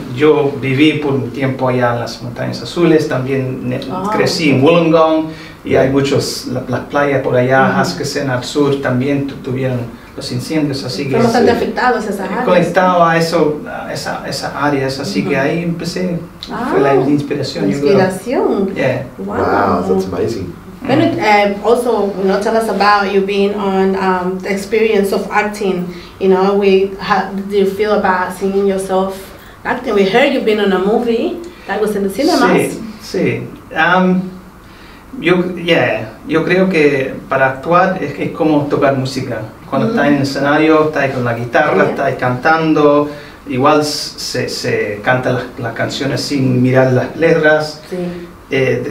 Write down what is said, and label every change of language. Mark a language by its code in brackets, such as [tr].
[es] Y yo viví por un tiempo allá en las Montañas Azules, también crecí en Wollongong, y hay muchas, las playas por allá, Haskesen al sur, también tuvieron los incendios, así que... Fueron bastante afectados esas áreas. Conectado a esas áreas, así que ahí empecé, fue la inspiración. Inspiración. [en] Yeah. Wow, that's amazing. Then also, you know, tell us about you being on the experience of acting. You know, how did you feel about seeing yourself acting? We heard you've been on a movie that was in the cinemas. [es] Sí. Yo creo que para actuar es como tocar música. Cuando estás en el escenario, estás con la guitarra, estás cantando. Igual se canta las canciones sin mirar las letras. Sí.